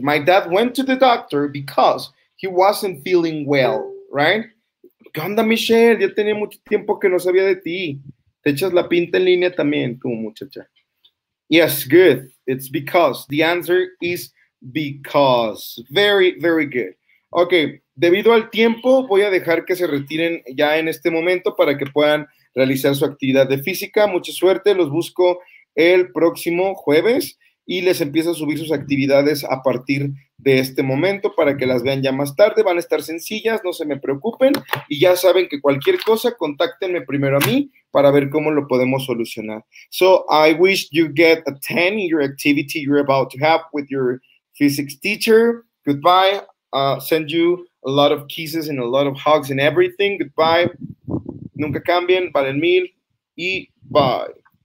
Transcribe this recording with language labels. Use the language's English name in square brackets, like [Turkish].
[English] My dad went to the doctor because he wasn't feeling well, right? [Spanish] ¿Qué onda, Michelle? Ya tenía mucho tiempo que no sabía de ti. Te echas la pinta en línea también, tú, muchacha. [English] Yes, good. It's because. The answer is because. Very, very good. [Spanish] Okay, debido al tiempo, voy a dejar que se retiren ya en este momento para que puedan realizar su actividad de física. Mucha suerte. Los busco el próximo jueves y les empiezo a subir sus actividades a partir de este momento para que las vean ya más tarde. Van a estar sencillas, no se me preocupen. Y ya saben que cualquier cosa, contáctenme primero a mí para ver cómo lo podemos solucionar. [English] So, I wish you get a 10 in your activity you're about to have with your physics teacher. Goodbye. Send you a lot of kisses and a lot of hugs and everything. Goodbye. [Spanish] Nunca cambien. Valen mil. [English] Y bye.